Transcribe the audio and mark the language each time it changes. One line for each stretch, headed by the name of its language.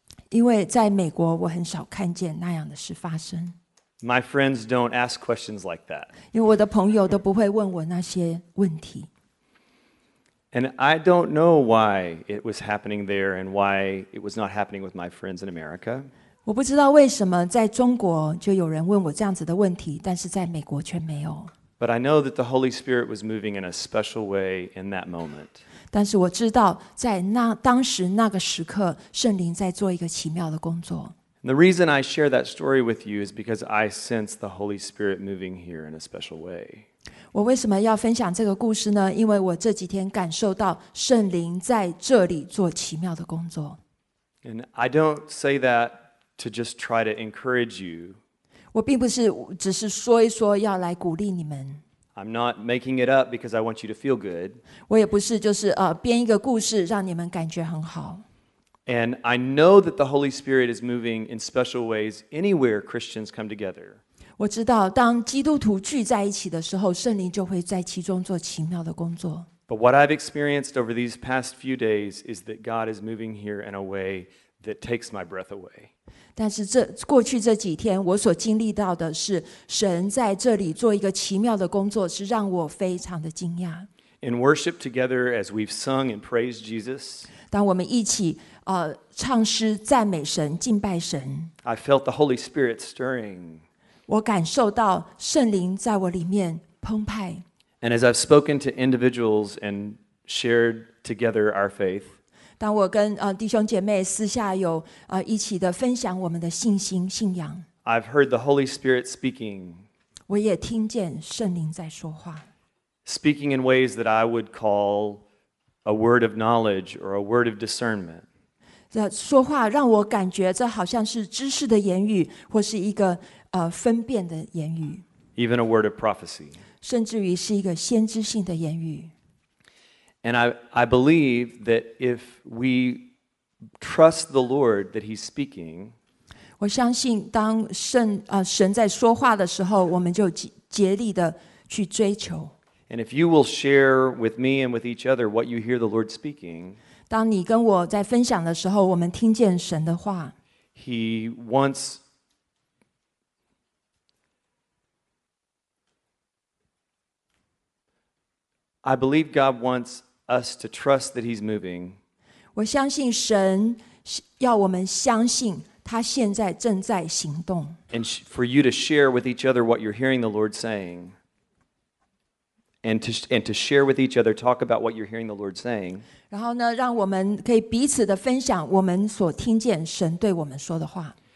Chinese: 因为在美国，我很少看见那样的事发生。
English: My friends don't ask questions like that.
Chinese: 因为我的朋友都不会问我那些问题。
English: And I don't know why it was happening there and why it was not happening with my friends in America.
Chinese: 我不知道为什么在中国就有人问我这样子的问题，但是在美国却没有。
English: But I know that the Holy Spirit was moving in a special way in that moment.
Chinese: 但是我知道，在那当时那个时刻，圣灵在做一个奇妙的工作。
English: The reason I share that story with you is because I sense the Holy Spirit moving here in a special way.
Chinese: 我为什么要分享这个故事呢？因为我这几天感受到圣灵在这里做奇妙的工作。
English: And I don't say that to just try to encourage you.
Chinese: 我并不是只是说一说，要来鼓励你们。
English: I'm not making it up because I want you to feel good.
Chinese: 我也不是就是编一个故事让你们感觉很好。
English: And I know that the Holy Spirit is moving in special ways anywhere Christians come together.
Chinese: 我知道当基督徒聚在一起的时候，圣灵就会在其中做奇妙的工作。
English: But what I've experienced over these past few days is that God is moving here in a way that takes my breath away.
Chinese: 但是这过去这几天，我所经历到的是神在这里做一个奇妙的工作，是让我非常的惊讶。
English: In worship together, as we've sung and praised Jesus,
Chinese: 当我们一起唱诗赞美神、敬拜神
English: ，I felt the Holy Spirit stirring.
Chinese: 我感受到圣灵在我里面澎湃。
English: And as I've spoken to individuals and shared together our faith.
Chinese: 当我跟弟兄姐妹私下有一起的分享我们的信心信仰
English: ，I've heard the Holy Spirit speaking.
Chinese: 我也听见圣灵在说话
English: ，speaking in ways that I would call a word of knowledge or a word of discernment.
Chinese: 这说话让我感觉这好像是知识的言语，或是一个分辨的言语
English: ，even a word of prophecy.
Chinese: 甚至于是一个先知性的言语。
English: And I believe that if we trust the Lord that He's speaking,
Chinese: 我相信当神在说话的时候，我们就竭力的去追求。
English: And if you will share with me and with each other what you hear the Lord speaking,
Chinese: 当你跟我在分享的时候，我们听见神的话。
English: He wants I believe God wants us to trust that He's moving.
Chinese: 我相信神要我们相信他现在正在行动。
English: And for you to share with each other what you're hearing the Lord saying. and to share with each other, talk about what you're hearing the Lord saying.
Chinese: 然后呢，让我们可以彼此的分享我们所听见神对我们说的话。